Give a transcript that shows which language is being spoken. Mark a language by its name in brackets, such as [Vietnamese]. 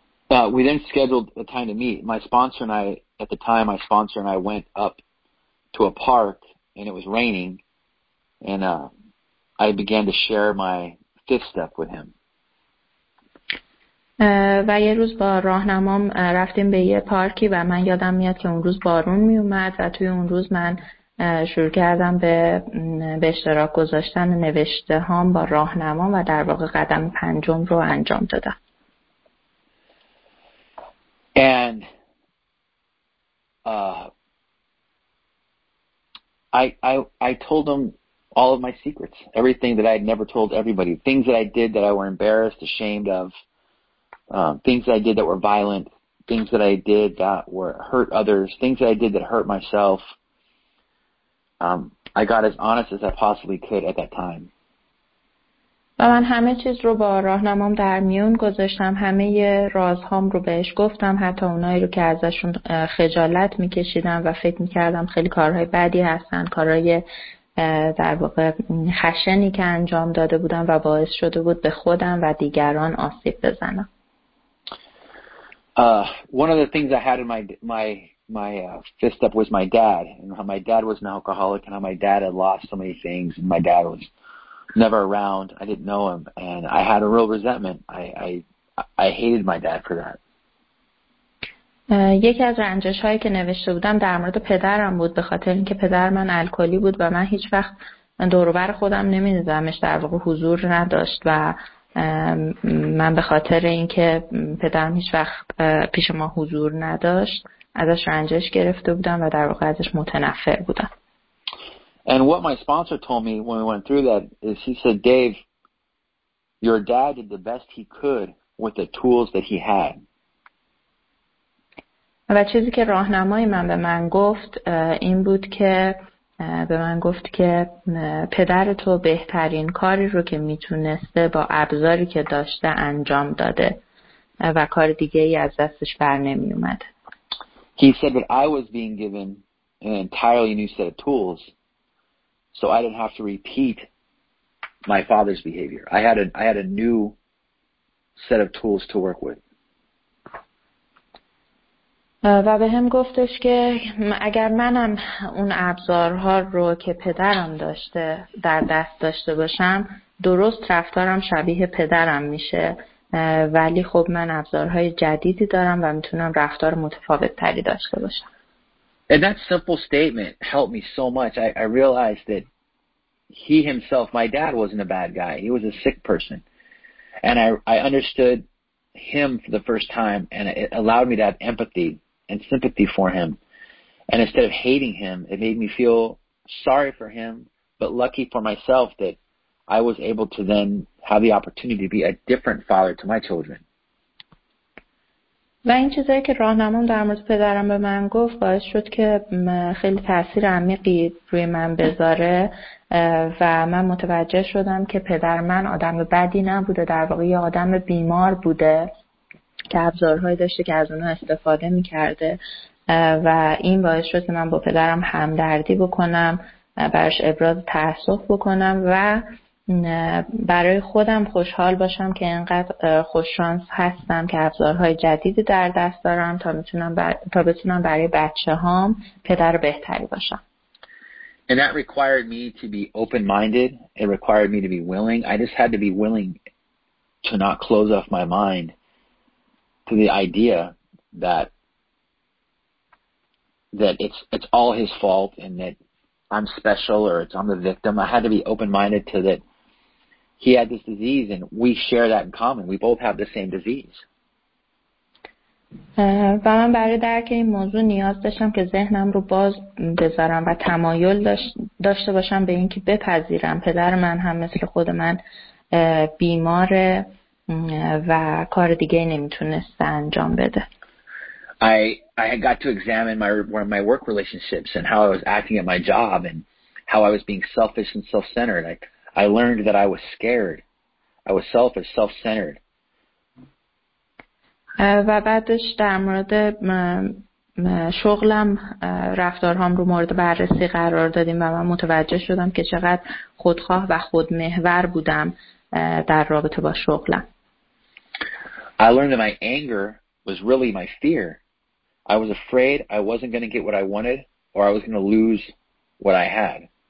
[English] We then scheduled a time to meet. My sponsor and I went up to a park and it was raining and I began to share my fifth step with him. [Persian] و یه روز با راهنمام رفتیم به یه پارکی و من یادم میاد که اون روز بارون می اومد و توی اون روز من شروع کردم به اشتراک گذاشتن نوشته هام با راهنمام و در واقع قدم پنجم رو انجام دادم. [English] And I told him all of my secrets, everything that I had never told everybody, things that I did that I were embarrassed, ashamed of, things that I did that were violent, things that I did that were hurt others, things that I did that hurt myself. I got as honest as I possibly could at that time. [Persian] و من همه چیز رو با راهنمام در میون گذاشتم، همه رازهام رو بهش گفتم، حتی اونایی رو که ازشون خجالت میکشیدم و فکر میکردم خیلی کارهای بدی هستن، کارهای در واقع خشنی که انجام داده بودم و باعث شده بود به خودم و دیگران آسیب بزنم. [English] One of the things I had in my fifth step was my dad, and how my dad was an alcoholic and how my dad had lost so many things and my dad was never around. I didn't know him and I had a real resentment. I hated my dad for that. [Persian] یکی از رنجش‌هایی که نوشته بودم در مورد پدرم بود، به خاطر اینکه پدر من الکلی بود و من هیچ وقت دور و بر خودم نمی‌دیدمش، در واقع حضور نداشت و من به خاطر اینکه پدرم هیچ وقت پیش ما حضور نداشت، ازش رنجش گرفته بودم و در واقع ازش متنفر بودم. [English] And what my sponsor told me when we went through that is he said, Dave, your dad did the best he could with the tools that he had. [Persian] و چیزی که راهنمای من به من گفت این بود که به من گفت که پدر تو بهترین کاری رو که میتونسته با ابزاری که داشته انجام داده و کار دیگه ای از دستش بر نمی اومد. [English] He said that I was being given an entirely new set of tools. So I didn't have to repeat my father's behavior. I had a new set of tools to work with. [Persian] و به هم گفتش که اگر منم اون ابزارها رو که پدرم داشته در دست داشته باشم، درست رفتارم شبیه پدرم میشه، ولی خب من ابزارهای جدیدی دارم و میتونم رفتار متفاوت تری داشته باشم. [English] And that simple statement helped me so much. I realized that he himself, my dad, wasn't a bad guy. He was a sick person. And I understood him for the first time, and it allowed me to have empathy and sympathy for him. And instead of hating him, it made me feel sorry for him, but lucky for myself that I was able to then have the opportunity to be a different father to my children. [Persian] و این چیزایی که راهنمام در مورد پدرم به من گفت باعث شد که خیلی تاثیر عمیقی روی من بذاره و من متوجه شدم که پدر من آدم بدی نبوده، در واقع یه آدم بیمار بوده که ابزارهایی داشته که از اونها استفاده می‌کرده و این باعث شد که من با پدرم همدردی بکنم، براش ابراز تأسف بکنم و برای خودم خوشحال باشم که اینقدر خوششانس هستم که ابزارهای جدیدی در دست دارم تا بتونم برای بچه‌هام پدر بهتری باشم. [English] And that required me to be open-minded. It required me to be willing. I just had to be willing to not close off my mind to the idea that it's all his fault and that I'm special or it's I'm the victim. I had to be open-minded to that he had this disease and we share that in common. We both have the same disease. [Persian] و من برای درک این موضوع نیاز داشتم که ذهنم رو باز بذارم و تمایل داشته باشم به اینکه بپذیرم پدر من هم مثل خود من بیماره و کار دیگه نمیتونست انجام بده. [English] I got to examine my work relationships and how I was acting at my job and how I was being selfish and self-centered. I learned that I was scared. I was selfish, self-centered. [Persian] و بعدش در مورد شغلم رفتارهام رو مورد بررسی قرار دادیم و من متوجه شدم که چقدر خودخواه و خودمحور بودم در رابطه با شغلم. [English] I learned that my anger was really my fear. I was afraid I wasn't going to get what I wanted or I was going to lose what I had.